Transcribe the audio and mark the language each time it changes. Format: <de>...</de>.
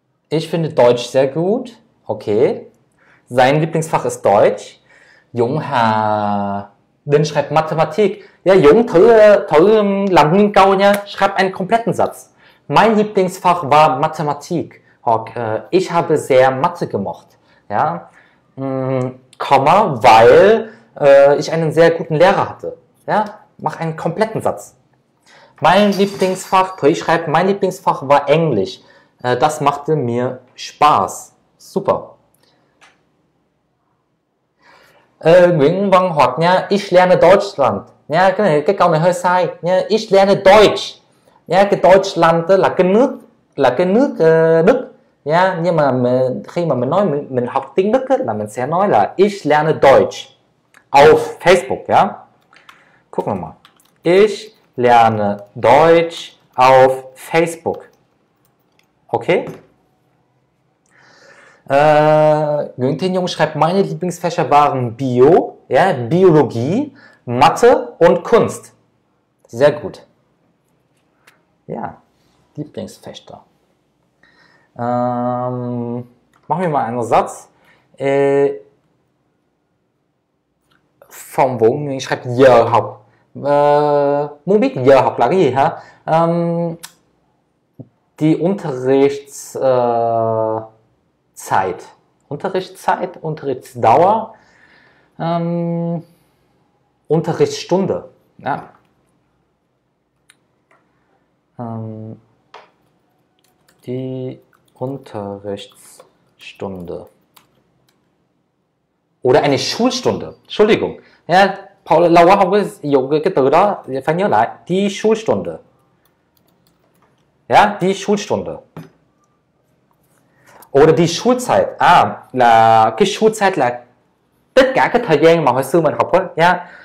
<de>Ich finde Deutsch sehr gut. Okay. Sein Lieblingsfach ist Deutsch. Junghà Dinh schreibt Mathematik.</de> <vi>Ja, Jung, thử làm nguyên câu nha.</vi> <de>Schreib einen kompletten Satz. Mein Lieblingsfach war Mathematik. Okay. Ich habe sehr Mathe gemocht. Ja. Komma, weil ich einen sehr guten Lehrer hatte. Ja, mach einen kompletten Satz. Mein Lieblingsfach, Pri schreibt, mein Lieblingsfach war Englisch. Das machte mir Spaß. Super.</de> <vi>Nguyễn Văn Hoạt nha,</vi> <de>ich lerne Deutschland.</de> <vi>Ja, cái câu này hơi sai. Nha,</vi> <de>ich lerne Deutsch.</de> <vi>Ja, cái Deutschland là cái nước Đức. Yeah, nhưng mà khi mà mình nói mình học tiếng Đức ấy, là mình sẽ nói là</vi> <de>Ich lerne Deutsch auf Facebook,</de> <vi>ja.</vi> <de>Gucken wir mal. Ich lerne Deutsch auf Facebook. Okay? Günther Jung schreibt, meine Lieblingsfächer waren Bio, ja, Biologie, Mathe und Kunst. Sehr gut. Ja, Lieblingsfächer. Machen wir mal einen Satz. Vom Wohnen, ich schreibe</de> <vi>giờ học. Muốn biết giờ học là cái gì hả?</vi> <de>Die Unterrichtszeit. Unterrichtszeit, Unterrichtsdauer. Unterrichtsstunde. Ja. Die Unterrichtsstunde. Oder eine Schulstunde. Entschuldigung.</de> <vi>Ja, Paul Lauer hat es cái từ đó, phải nhớ lại.</vi> <de>Die Schulstunde. Ja, die Schulstunde. Oder die Schulzeit.</de> <vi>Ah, là cái Schulzeit là tất cả cái thời gian mà hồi xưa mình học á. Ja.</vi>